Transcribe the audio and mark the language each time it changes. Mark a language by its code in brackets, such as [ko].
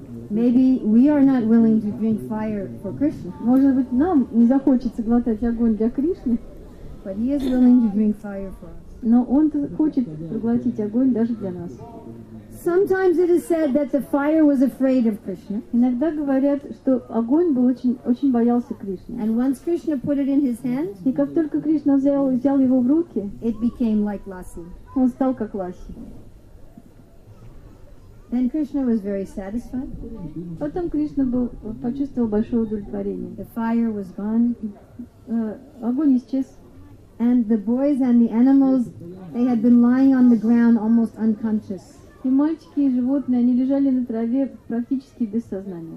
[en] Maybe we are not willing to drink fire for Krishna. [ru] Может быть, нам не захочется глотать огонь для Кришны. [en] But he is willing to drink fire for us. [ru] Но он хочет проглотить огонь даже для нас. [en] Sometimes it is said that the fire was afraid of Krishna. [ru] Иногда говорят, что огонь был очень, очень боялся Кришны. [en] And once Krishna put it in his hand, [ru] и как только Кришна взял его в руки, [en] it became like lassi. [ru] Он стал как ласи. [en] Then Krishna was very satisfied. [ru] Потом Кришна почувствовал большое удовлетворение. [en] The fire was gone. [ru] Огонь исчез. [en] And the boys and the animals, they had been lying on the ground almost unconscious. [ru] И мальчики и животные, они лежали на траве практически без сознания.